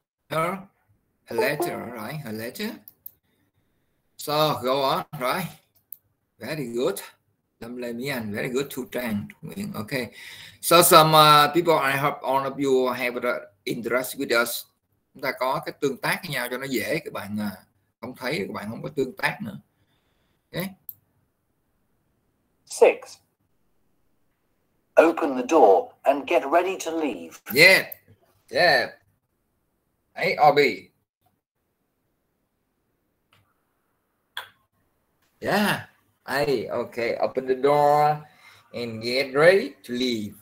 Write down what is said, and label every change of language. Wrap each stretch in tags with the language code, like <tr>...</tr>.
<en>Her letter, right? Her letter. So go on, right? Very good. Lâm Lê Mỹ Anh, very good. Thu Trang, Thu Nguyễn. Okay. So some people, I hope all of you have the interest with us.</en> <vi>Chúng ta có cái tương tác với nhau cho nó dễ, các bạn không thấy, các bạn không có tương tác nữa.</vi> <en>Okay. 6. Open the door and get ready to leave. Yeah. Yeah. A or B? Yeah. A. Okay. Open the door and get ready to leave.</en>